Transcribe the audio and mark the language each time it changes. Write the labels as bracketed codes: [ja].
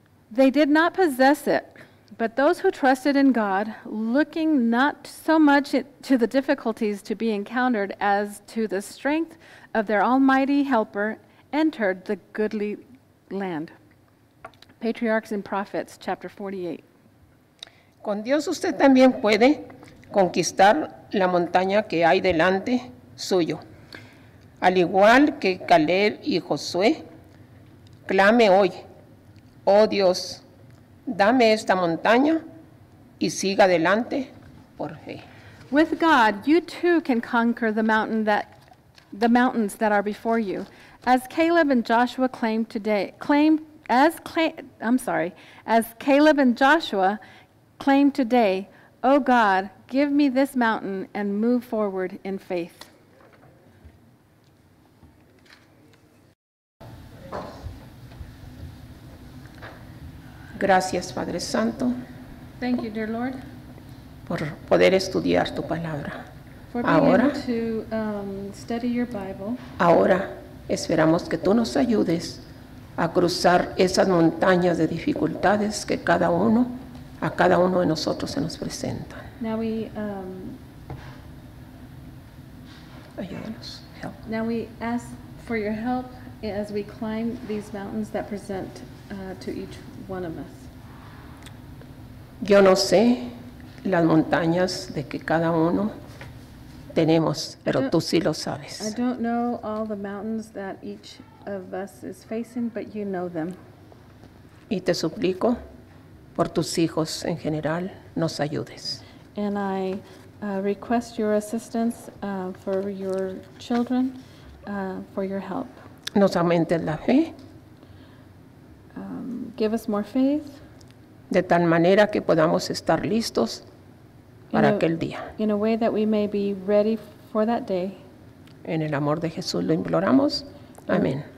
[en] They did not possess it, but those who trusted in God, looking not so much to the difficulties to be encountered as to the strength of their almighty helper, entered the goodly land." Patriarchs and Prophets, chapter 48. [es] Con Dios usted también puede conquistar la montaña que hay delante suyo. Al igual que Caleb y Josué, clame hoy, oh Dios, dame esta montaña y siga adelante por fe. [en] With God, you too can conquer the mountains that are before you. As Caleb and Joshua claim today, O God, give me this mountain and move forward in faith. [es] Gracias, Padre Santo. [en] Thank you, dear Lord. [es] Por poder estudiar tu palabra. [en] For being [es] ahora, [en] able to study your Bible. [es] Ahora esperamos que tú nos ayudes a cruzar esas montañas de dificultades que a cada uno de nosotros se nos presentan. [en] Now we [es] ayúdanos, [en] help. Now we ask for your help as we climb these mountains that present to each one of us. [es] Yo no sé las montañas de que cada uno tenemos, pero tú sí lo sabes. [en] I don't know all the mountains that each of us is facing, but you know them. [es] Y te suplico por tus hijos en general, nos ayudes. [en] And I request your assistance for your children, for your help. [es] Nos aumentes la fe. [en] Give us more faith. [es] De tal manera que podamos estar listos para aquel día. [en] In a way that we may be ready for that day. [es] En el amor de Jesús lo imploramos. Amén.